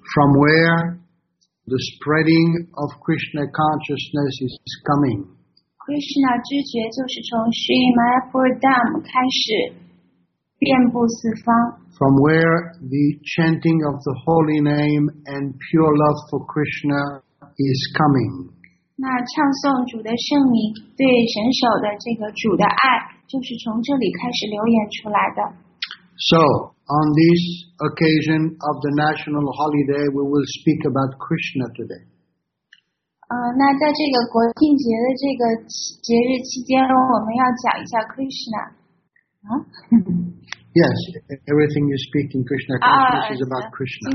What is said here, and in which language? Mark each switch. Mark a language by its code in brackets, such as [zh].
[en] From where the spreading of Krishna consciousness is coming. [zh] Krishna 知觉就是从 Sri Mayapur Dam 开始。遍布四方。 [en] From where the chanting of the holy name and pure love for Krishna is coming. [zh] 那唱诵主的圣名，对神首的这个主的爱，就是从这里开始流言出来的。 [en] So, on this occasion of the national holiday, we will speak about Krishna today. [zh] 那在这个国庆节的这个节日期间，我们要讲一下 Krishna。 [en] Yes, everything you speak in Krishna consciousness is about Krishna.